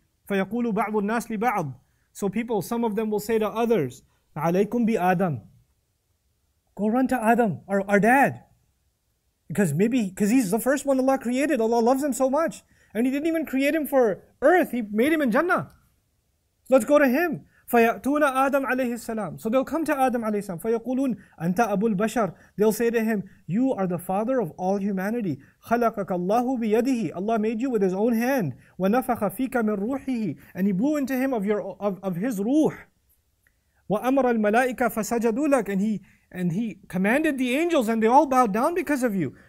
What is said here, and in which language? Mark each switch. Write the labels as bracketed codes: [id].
[ar] فَيَقُولُ بَعْضُ النَّاسِ لِبَعْضٍ, [en] so people, some of them will say to others, [ar] عَلَيْكُمْ بِآدَمْ, [en] go run to Adam, our dad. Because he's the first one Allah created. Allah loves him so much. And He didn't even create him for earth. He made him in Jannah. Let's go to him. [ar] فَيَأْتُونَ آدَمْ عَلَيْهِ السَّلَامِ, [en] so they'll come to Adam [ar] عَلَيْهِ السَّلَامِ. فَيَقُولُونَ أَنْتَ أَبُو الْبَشَرِ, [en] they'll say to him, you are the father of all humanity. [ar] خَلَقَكَ اللَّهُ بِيَدِهِ, [en] Allah made you with His own hand. [ar] وَنَفَخَ فِيكَ مِنْ رُوحِهِ, [en] and He blew into him of His ruh. [ar] وَأَمَرَ الْمَلَائِكَ فَسَجَدُوا لَكَ, [en] and he commanded the angels and they all bowed down because of you.